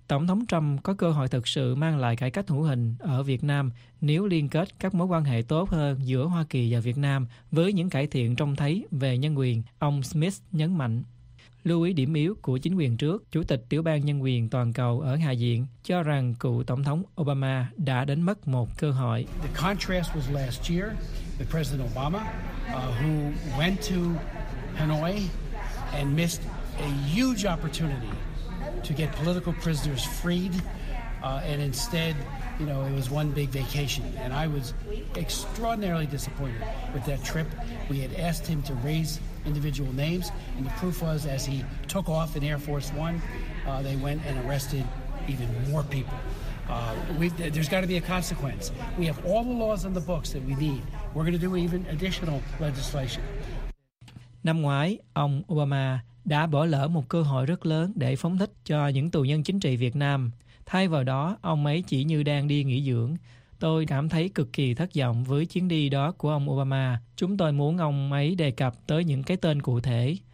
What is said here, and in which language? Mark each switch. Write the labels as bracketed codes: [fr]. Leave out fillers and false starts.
[vi] Tổng thống Trump có cơ hội thực sự mang lại cải cách hữu hình ở Việt Nam nếu liên kết các mối quan hệ tốt hơn giữa Hoa Kỳ và Việt Nam với những cải thiện trông thấy về nhân quyền, ông Smith nhấn mạnh. Lưu ý điểm yếu của chính quyền trước, Chủ tịch Tiểu ban Nhân quyền Toàn cầu ở Hạ viện cho rằng cựu Tổng thống Obama đã đánh mất một cơ hội. [en] The contrast was last year, the President Obama, who went to Hanoi and missed a huge opportunity to get political prisoners freed, and instead, you know, it was one big vacation. And I was extraordinarily disappointed with that trip. We had asked him to raise individual names, and the proof was as he took off in Air Force One, they went and arrested even more people. There's got to be a consequence. We have all the laws on the books that we need. We're going to do even additional legislation. [vi] Năm ngoái, ông Obama đã bỏ lỡ một cơ hội rất lớn để phóng thích cho những tù nhân chính trị Việt Nam. Thay vào đó, ông ấy chỉ như đang đi nghỉ dưỡng. Tôi cảm thấy cực kỳ thất vọng với chuyến đi đó của ông Obama. Chúng tôi muốn ông ấy đề cập tới những cái tên cụ thể.